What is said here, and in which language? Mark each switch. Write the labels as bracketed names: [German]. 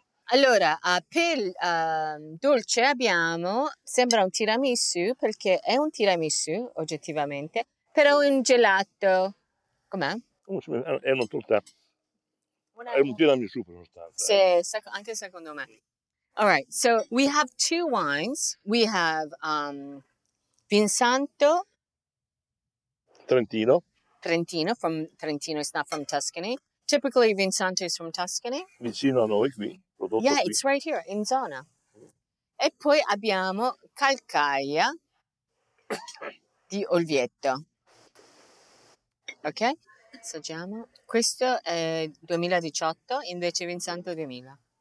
[Italian] Allora, per dolce abbiamo, sembra un tiramisù, perché è un tiramisù oggettivamente, però un gelato, com'è? È una torta, è un tiramisù per sostanza. Sì, anche secondo me. [English] All right, so we have two wines. We have Vinsanto Trentino Trentino, from Trentino, it's not from Tuscany. Typically, Vincente is from Tuscany. [Italian] Vicino a noi qui. [English] Yeah, [Italian] qui. [English] It's right here, [Italian] in zona. E poi abbiamo Calcaia di Olvieto. Ok? Assaggiamo. Questo è 2018, invece Vincente 2000.